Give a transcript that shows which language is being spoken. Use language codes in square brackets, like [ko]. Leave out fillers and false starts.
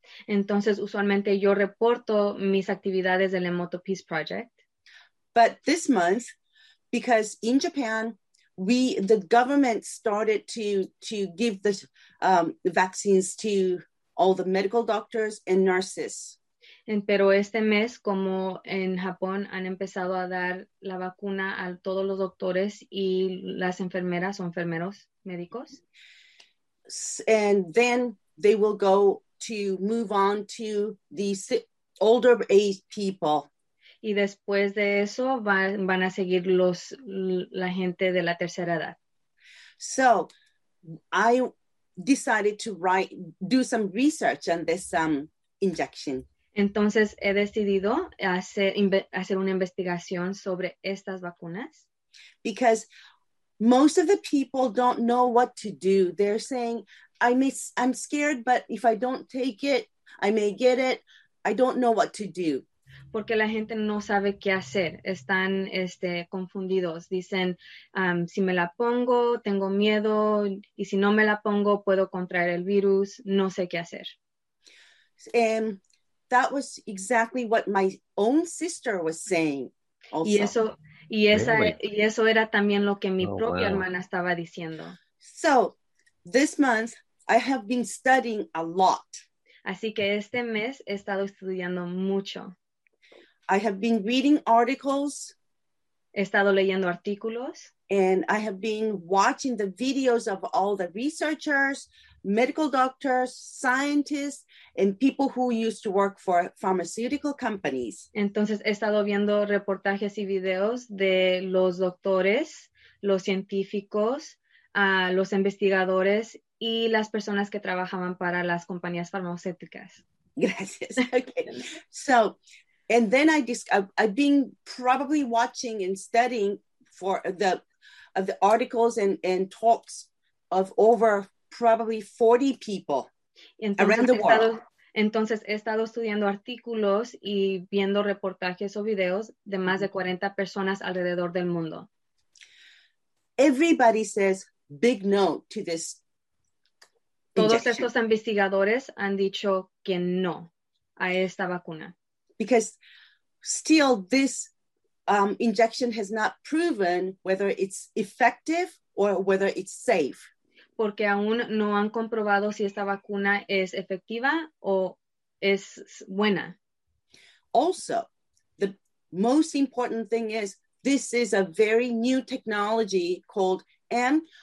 [es] Entonces, usualmente yo reporto mis actividades del Emoto Peace Project. [en] But this month, because in Japan, the government started to give the vaccines to all the medical doctors and nurses. [es] Pero este mes, como en Japón, han empezado a dar la vacuna a todos los doctores y las enfermeras o enfermeros médicos. [en] And then they will go to move on to the older age people. [es] y después de eso van a seguir los la gente de la tercera edad. [en] So I decided to write do some research on this injection. [es] Entonces he decidido hacer una investigación sobre estas vacunas. [en] Because most of the people don't know what to do. They're saying, I'm scared, but if I don't take it, I may get it. I don't know what to do. [es] Porque la gente no sabe qué hacer. Están confundidos. Dicen, si me la pongo, tengo miedo. Y si no me la pongo, puedo contraer el virus. No sé qué hacer. [en] That was exactly what my own sister was saying. Also. [es] Y eso era también lo que mi propia hermana estaba diciendo. [en] So, this month, I have been studying a lot. [es] Así que este mes he estado estudiando mucho. [en] I have been reading articles. [es] He estado leyendo artículos. [en] And I have been watching the videos of all the researchers, medical doctors, scientists, and people who used to work for pharmaceutical companies. [es] Entonces he estado viendo reportajes y videos de los doctores, los científicos, los investigadores y las personas que trabajaban para las compañías farmacéuticas. Gracias. Okay. [en] So, and then I've been probably watching and studying for the articles and talks of over probably 40 people around the world. [es] Entonces he estado estudiando artículos y viendo reportajes o videos de más de 40 personas alrededor del mundo. [en] Everybody says big no to this. [es] Todos estos investigadores han dicho que no a esta vacuna. [en] Because still this injection has not proven whether it's effective or whether it's safe. [es] Porque aún no han comprobado si esta vacuna es efectiva o es buena. [en] Also, the most important thing is this is a very new technology called mRNA.